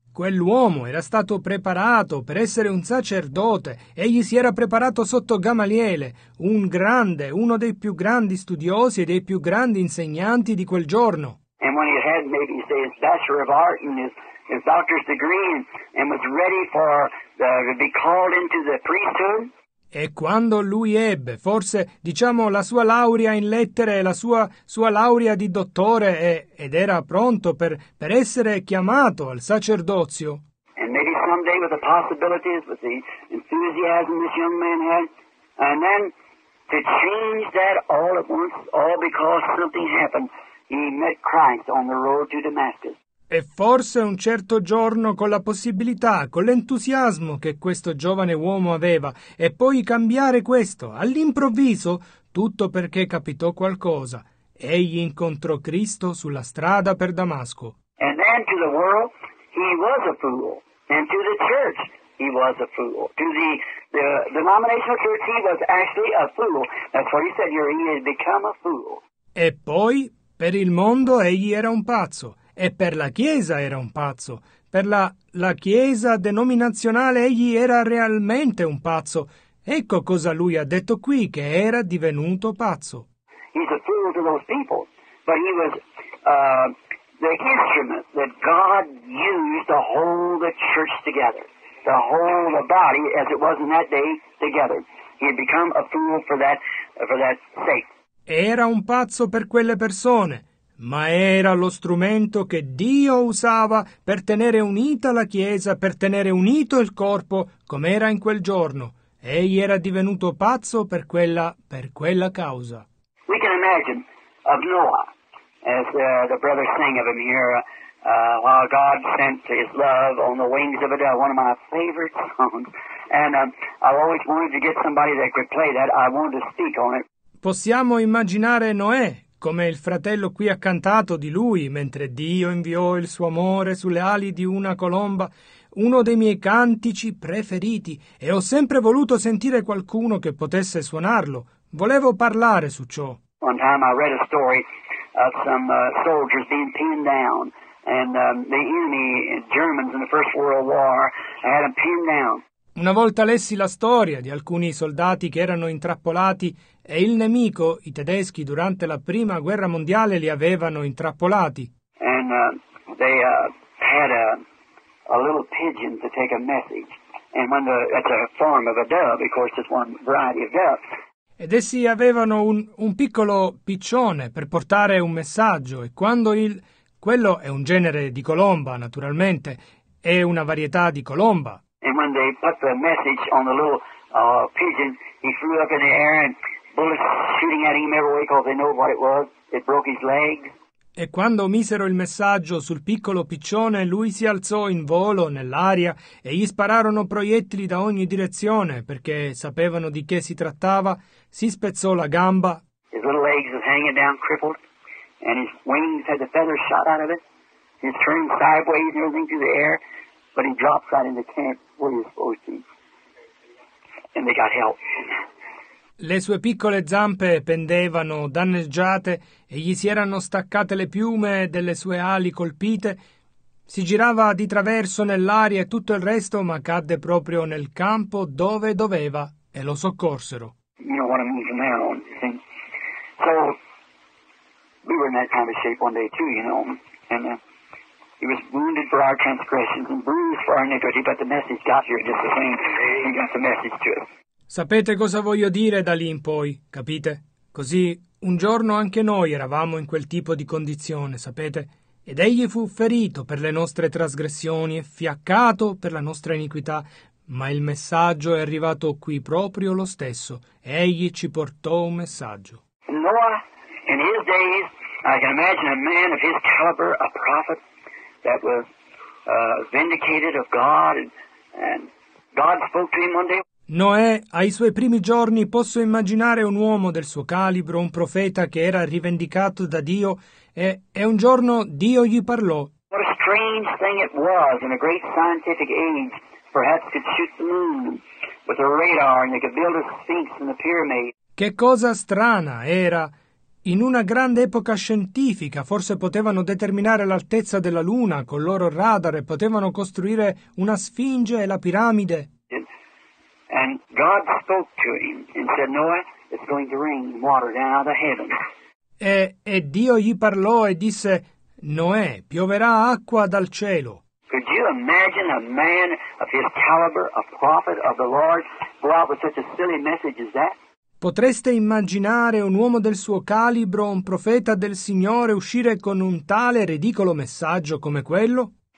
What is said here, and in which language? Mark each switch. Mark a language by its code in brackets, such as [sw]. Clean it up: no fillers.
[it] Quell'uomo era stato preparato per essere un sacerdote. Egli si era preparato sotto Gamaliele, un grande, uno dei più grandi studiosi e dei più grandi insegnanti di quel giorno. [en] And when he had maybe say his bachelor of art and his doctor's degree and was ready for to be called into the priesthood. [it] E quando lui ebbe, forse, diciamo, la sua laurea in lettere, la sua laurea di dottore, ed era pronto per essere chiamato al sacerdozio. [en] And maybe someday with the possibilities, with the enthusiasm this young man had, and then to change that all at once, all because something happened, he met Christ on the road to Damascus. [it] E forse un certo giorno, con la possibilità, con l'entusiasmo che questo giovane uomo aveva, e poi cambiare questo, all'improvviso, tutto perché capitò qualcosa. Egli incontrò Cristo sulla strada per Damasco. [en] And then to the world, he was a fool. And to the church, he was a fool. To the denominational church, he was actually a fool. That's what he said here, he had become a fool. [it] E poi, per il mondo, egli era un pazzo. E per la Chiesa era un pazzo. Per la Chiesa denominazionale egli era realmente un pazzo. Ecco cosa lui ha detto qui, che era divenuto pazzo. [en] He's a fool to those people, but he was the instrument that God used to hold the church together, to hold the body as it was in that day together. He had become a fool for that sake. [it] Era un pazzo per quelle persone. Ma era lo strumento che Dio usava per tenere unita la Chiesa, per tenere unito il corpo, come era in quel giorno. Egli era divenuto pazzo per quella causa. [en] We can imagine of Noah, as the brothers sing of him here, while God sent his love on the wings of a dove, one of my favorite songs. And I've always wanted to get somebody that could play that. I wanted to speak on it. [it] Possiamo immaginare Noè, come il fratello qui ha cantato di lui, mentre Dio inviò il suo amore sulle ali di una colomba, uno dei miei cantici preferiti, e ho sempre voluto sentire qualcuno che potesse suonarlo. Volevo parlare su ciò. [en] One time I read a story of some soldiers being pinned down, and the enemy, Germans in the First World War, had them pinned down. [it] Una volta lessi la storia di alcuni soldati che erano intrappolati e il nemico, i tedeschi, durante la Prima Guerra Mondiale li avevano intrappolati. [en] And they had a little pigeon to take a message. And when it's a form of a dove, of course it's one variety of dove. [it] Ed essi avevano un piccolo piccione per portare un messaggio, e quando quello è un genere di colomba, naturalmente, è una varietà di colomba. [en] And when they put the message on the little pigeon, he flew up in the air and bullets shooting at him every way because they know what it was. It broke his legs. [it] E quando misero il messaggio sul piccolo piccione, lui si alzò in volo nell'aria e gli spararono proiettili da ogni direzione perché sapevano di che si trattava. Si spezzò la gamba. [en] His little legs was hanging down crippled and his wings had the feathers shot out of it. He was turning sideways and everything through the air. But he drops that in the camp where he was supposed to. And they got help. [it] Le sue piccole zampe pendevano danneggiate e gli si erano staccate le piume delle sue ali colpite. Si girava di traverso nell'aria e tutto il resto, ma cadde proprio nel campo dove doveva, e lo soccorsero. [en] You know what I mean from there on, you think? So, we were in that kind of shape one day too, you know. And He was wounded for our transgressions and bruised for our iniquity, but the message got here just the same. He got the message to us. [it] Sapete cosa voglio dire da lì in poi, capite? Così un giorno anche noi eravamo in quel tipo di condizione, sapete? Ed egli fu ferito per le nostre trasgressioni e fiaccato per la nostra iniquità, ma il messaggio è arrivato qui proprio lo stesso. Egli ci portò un messaggio. [en] Noah, in his days, I can imagine a man of his caliber, a prophet, that was vindicated of God, and God spoke to him one day. [it] Noè, ai suoi primi giorni, posso immaginare un uomo del suo calibro, un profeta che era rivendicato da Dio, e un giorno Dio gli parlò. [en] What a strange thing it was in a great scientific age, perhaps could shoot the moon with a radar and they could build a sphinx in the pyramid. [it] Che cosa strana era! In una grande epoca scientifica, forse potevano determinare l'altezza della Luna con il loro radar e potevano costruire una sfinge e la piramide. [en] And God spoke to him and said, Noah, it's going to rain water down out of heaven. [it] E Dio gli parlò e disse, Noè, pioverà acqua dal cielo. [en] Could you imagine a man of his caliber, a prophet of the Lord, go out with such a silly message as that? [it] Potreste immaginare un uomo del suo calibro, un profeta del Signore, uscire con un tale ridicolo messaggio come quello?